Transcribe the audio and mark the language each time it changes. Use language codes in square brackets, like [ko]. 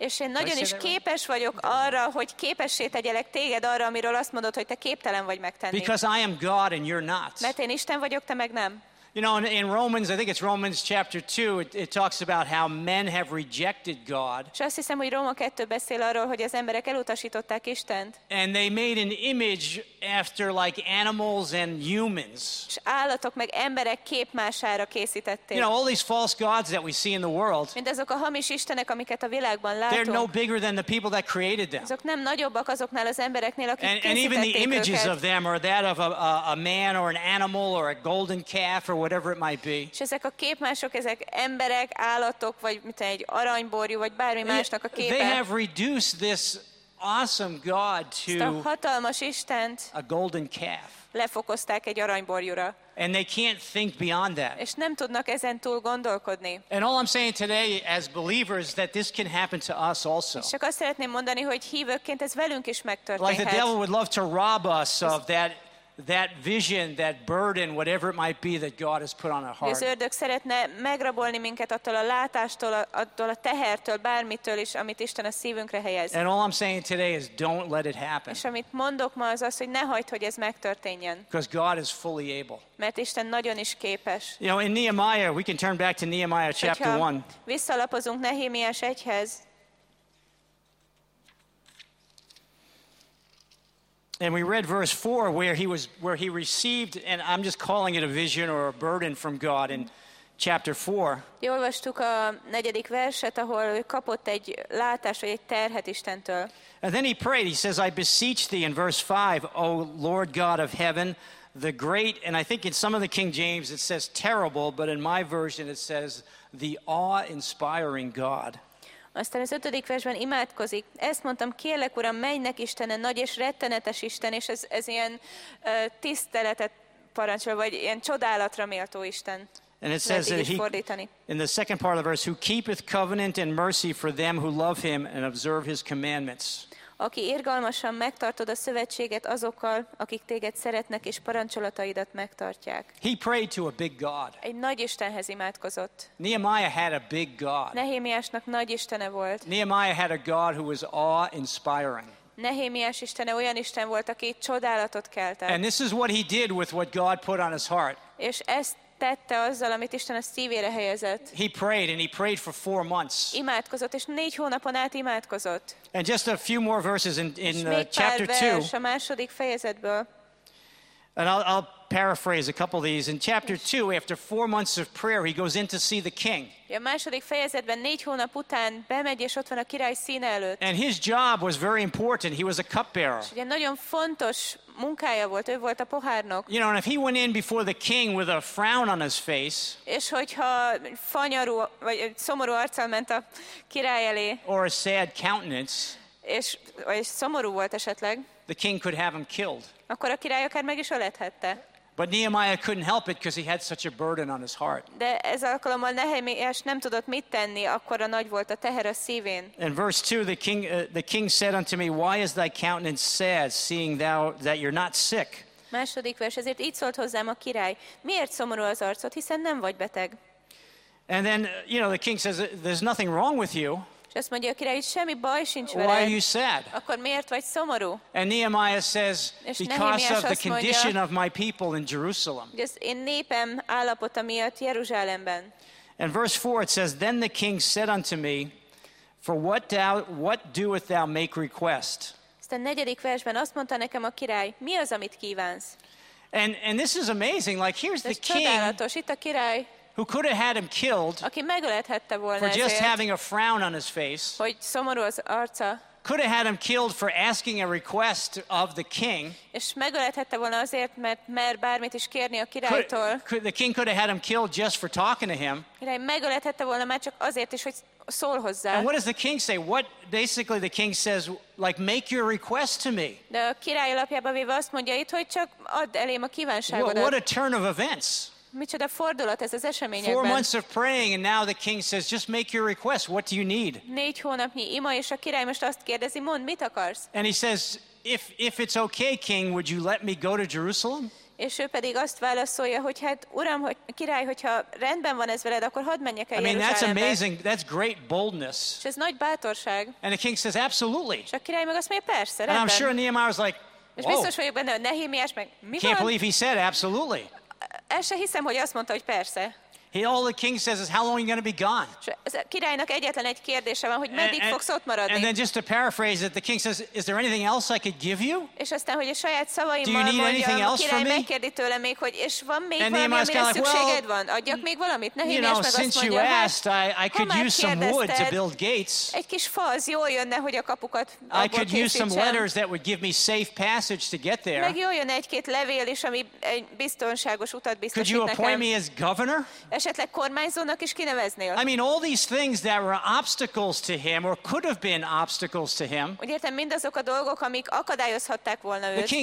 [hu] És én nagyon is képes vagyok arra, hogy képessé tegyelek téged arra, amiről azt mondod, hogy te képtelen vagy megtenni. [en] Because I am God and you're not. [hu] Mert én Isten vagyok, te meg nem. [en] You know, in Romans, I think it's Romans chapter 2, it talks about how men have rejected God. [hu] És azt hiszem, hogy Róma 2 beszél arról, hogy az emberek elutasították Istent. [en] And they made an image after like animals and humans. [hu] És állatok meg emberek képmására készítették. [en] You know, all these false gods that we see in the world, [hu] mindazok a hamis istenek, amiket a világban látunk, [en] they're no bigger than the people that created them. [hu] Azok nem nagyobbak azoknál az embereknél, akik készítették őket. [en] And even the images [hu] őket. [en] Of them are that of a man or an animal or a golden calf or whatever it might be. [hu] És ezek a képmások, ezek emberek, állatok, vagy mint egy aranyborjú, vagy bármi másnak a képe. [en] They have reduced this awesome God to [hu] a hatalmas Istent [en] a golden calf. [hu] Lefokozták egy aranyborjúra. [en] And they can't think beyond that. [hu] És nem tudnak ezen túl gondolkodni. [en] And all I'm saying today as believers that this can happen to us also. [hu] Csak azt szeretném mondani, hogy hívőként ez velünk is megtörténhet. [en] Like the devil would love to rob us of that vision, that burden, whatever it might be that God has put on our heart. [hu] Az ördög szeretne megrabolni minket attól a látástól, attól a tehertől, bármitől is, amit Isten a szívünkre helyez. [en] And all I'm saying today is don't let it happen. [hu] És amit mondok ma az, hogy ne hagyd, hogy ez megtörténjen. [en] Because God is fully able. [hu] Mert Isten nagyon is képes. [en] You know, in Nehemiah, we can turn back to Nehemiah chapter 1. [hu] Visszalapozunk Nehémiás 1-hez. [en] And we read verse 4 where he received, and I'm just calling it a vision or a burden from God in chapter 4. [hu] Jó, olvastuk a negyedik verset, ahol ő kapott egy látást, vagy egy terhet Istentől. [en] And then he prayed, he says, I beseech thee in verse 5, O Lord God of heaven, the great, and I think in some of the King James it says terrible, but in my version it says the awe-inspiring God. [hu] Aztán az ötödik versben imádkozik. Ezt mondtam, kérlek, Uram, mennek Istenen, nagy és rettenetes Isten, és ez ilyen tiszteletet parancsol, vagy ilyen csodálatra méltó Isten. [en] And it says that he, [hu] fordítani. [en] In the second part of the verse, who keepeth covenant and mercy for them who love him and observe his commandments. [hu] Aki irgalmasan megtartod a szövetséget azokkal, akik téged szeretnek és parancsolataidat megtartják. [en] He prayed to a big God. [hu] Egy nagy Istenhez imádkozott. [en] Nehemiah had a big God. [hu] Nehémiásnak nagy Istene volt. [en] Nehemiah had a God who was awe-inspiring. [hu] Nehémiás Istene olyan Isten volt, aki csodálatot keltett. [en] And this is what he did with what God put on his heart. [hu] És ezt tette azzal, amit Isten a szívére helyezett. [en] He prayed, and he prayed for 4 months. [hu] Imádkozott, és 4 hónapon át imádkozott. [en] And just a few more verses in chapter 2. [hu] A második fejezetből. [en] And I'll paraphrase a couple of these. In chapter 2, after 4 months of prayer, he goes in to see the king. [hu] A második fejezetben 4 hónap után bemegy, és ott van a király színe előtt. [en] And his job was very important. He was a cupbearer. [hu] És ugye nagyon fontos munkája volt, ő volt a pohárnok. [en] You know, and if he went in before the king with a frown on his face, [hu] és hogyha fanyarú, vagy szomorú arccal ment a király elé, [en] or a sad countenance, [hu] és vagy szomorú volt esetleg, [en] the king could have him killed. [hu] Akkor a király akár meg is ölethette. [en] But Nehemiah couldn't help it because he had such a burden on his heart. [hu] De ez alkalommal Nehemiás nem tudott mit tenni, akkora nagy volt a teher a szívén. [en] In verse 2, the king said unto me, why is thy countenance sad, seeing thou that you're not sick? [hu] Második vers, ezért így szólt hozzám a király, miért szomorú az arcod, hiszen nem vagy beteg. [en] And then, you know, the king says, there's nothing wrong with you. [hu] És azt mondja a király, hogy semmi baj sincs veled. [en] Why are you sad? [hu] Akkor miért vagy szomorú? [en] And Nehemiah says, because of the condition of my people in Jerusalem. [hu] Ez én népem állapota miatt Jeruzsálemben. [en] And verse 4 it says, then the king said unto me, for what doeth thou make request? [hu] A negyedik versben azt mondta nekem a király, mi az, amit kívánsz? [en] And this is amazing. Like here's the [hu] csodálatos. [en] King. [hu] Itt a király. [en] Who could have had him killed? [hu] Aki megölethette volna [en] for just [hu] ezért, [en] having a frown on his face. [hu] Hogy szomorú az arca. [en] Could have had him killed for asking a request of the king. [hu] És megölethette volna azért, mert bármit is kérni a királytól. [en] The king could have had him killed just for talking to him. [hu] Király megölethette volna már csak azért is, hogy szól hozzá. [en] And what does the king say? What basically the king says, like make your request to me. [hu] De a király alapjában véve azt mondja itt, hogy csak add elém a kívánságodat. [en] What a turn of events. [hu] Micsoda fordulat ez az eseményekben. [en] 4 months of praying and now the king says, just make your request, what do you need? [hu] 4 hónapnyi ima, és a király most azt kérdezi, mondd, mit akarsz? [en] And he says, if it's okay, king, would you let me go to Jerusalem? [hu] És ő pedig azt válaszolja, hogy hát uram, hogy király, hogyha rendben van ez veled, akkor hadd menjek el Jeruzsálembe. [en] I mean, that's amazing, that's great boldness. [hu] És ez nagy bátorság. [en] And the king says, absolutely. [hu] És a király meg azt mondja, persze, rendben. [en] And I'm sure Nehemiah was like, [hu] és biztos vagyok benne, hogy Nehémiás meg, mi van? [en] Can't believe he said, absolutely. [hu] El se hiszem, hogy azt mondta, hogy persze. [en] All the king says is, how long are you going to be gone? [hu] Királynak egyetlen egy kérdése van, hogy meddig fogsz ott maradni. [en] And then just to paraphrase it, the king says, is there anything else I could give you? [hu] És aztán, hogy a saját szavaimmal mondja, király megkérdi tőle még, hogy és van még [en] and [hu] valami, amire szükséged [en] well, [hu] van? Adjak még valamit? [en] You know, since [hu] azt [en] you [hu] mondja, [en] asked, I could use some wood to build gates. [hu] Egy kis fa az jól jönne, hogy a kapukat abból készítsem. [en] I could use some letters that would give me safe passage to get there. [hu] Meg jól jönne egy-két levél is, ami egy biztonságos utat biztosít nekem. [en] Could you appoint me as governor? [hu] Esetleg kormányzónak is kineveznél. [en] I mean, all these things that were obstacles to him, or could have been obstacles to him. [hu] Úgy értem, mindazok a dolgok, amik akadályozhatták volna őt.